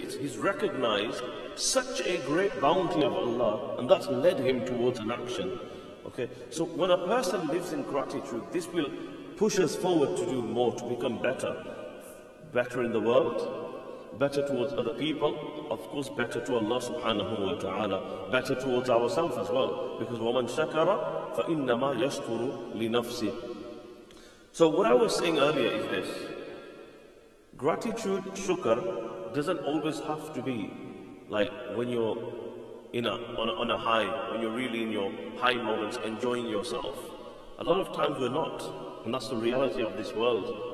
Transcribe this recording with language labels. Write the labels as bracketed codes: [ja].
[en] He's recognized such a great bounty of Allah, and that's led him towards an action. Okay, so when a person lives in gratitude, this will push us forward to do more, to become better. Better in the world, better towards other people, of course better to Allah subhanahu wa ta'ala, better towards ourselves as well. Because [ar] وَمَنْ شَكَرَ فَإِنَّمَا يَشْكُرُ لِنَفْسِهِ. [en] So what I was saying earlier is this. Gratitude, shukr, doesn't always have to be like when you're on a high, when you're really in your high moments, enjoying yourself. A lot of times we're not, and that's the reality of this world.